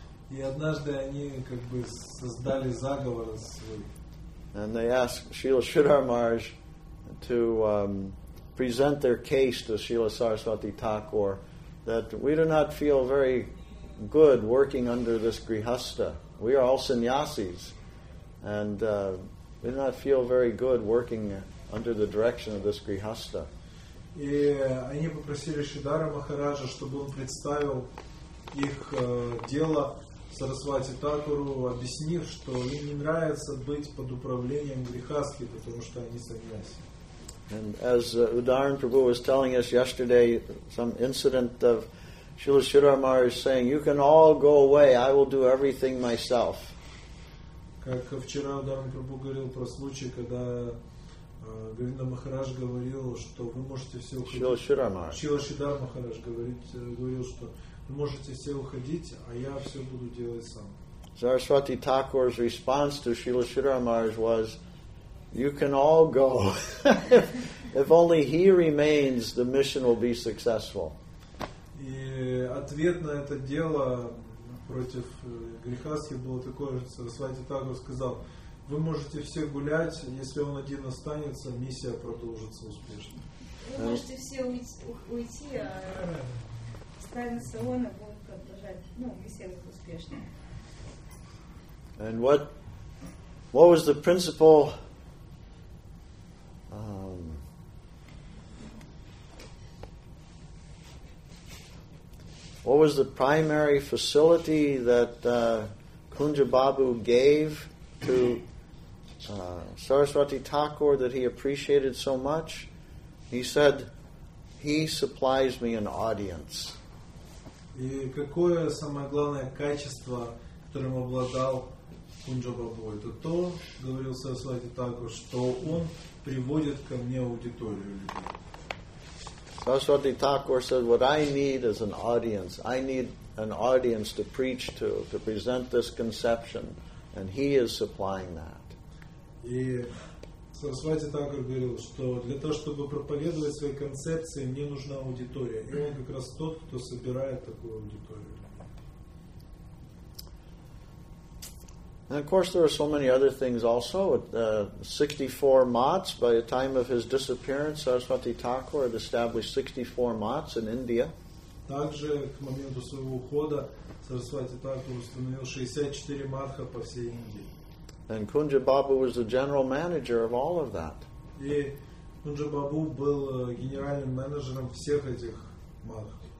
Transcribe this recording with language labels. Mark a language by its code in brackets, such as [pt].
[ru] И однажды они как бы создали заговор свой. [en] And they asked Srila Sridhar Maharaj to present their case to Srila Saraswati Thakur, that we do not feel very good working under this grihastha. We are all sannyasis, and we do not feel very good working under the direction of this grihastha. [ru] И они попросили Шридхара Махараджа, чтобы он представил их дело Сарасвати Такуру, объяснив, что им не нравится быть под управлением грихастхи, потому что они сannyasi. [en] And as Udaran Prabhu was telling us yesterday, some incident of Srila Sridhar Maharaj saying, "You can all go away. I will do everything myself." [ru] Как вчера Udaran Prabhu говорил про случай, когда Govinda Maharaj говорил, что вы можете все уходить. Srila Sridhar Maharaj говорил, что вы можете все уходить, а я все буду делать сам. [en] Saraswati Thakur's response to Srila Sridhar Maharaj was, "You can all go. If only he remains, the mission will be successful." [ru] И ответ на это дело против грихастхи было такое, что Сарасвати Тагор сказал, вы можете все гулять, если он один останется, миссия продолжится успешно. Вы можете все уйти, а останется он, и будет продолжать, ну, миссия будет успешной. [en] And what was the principle what was the primary facility that Kunja Babu gave to Saraswati Thakur that he appreciated so much? He said, "He supplies me an audience." [ru] И какое самое главное качество, которым обладал Кунджа Бабу? Это то, говорил Сарасвати Такур, что он приводит ко мне аудиторию людей. [en] Saraswati Thakur said, "What I need is an audience. I need an audience to preach to present this conception, and he is supplying that." [ru] И Saraswati Thakur говорил, что для того, чтобы проповедовать свои концепции, мне нужна аудитория, и он как раз тот, кто собирает такую аудиторию. [en] And of course, there are so many other things also. 64 mats. By the time of his disappearance, Saraswati Thakur had established 64 mats in India. [ru] Также к моменту своего ухода Сарасвати Такур установил 64 матха по всей Индии. [en] And Kunja Babu was the general manager of all of that. [ru] И Кунджа Бабу был генеральным менеджером всех этих матх.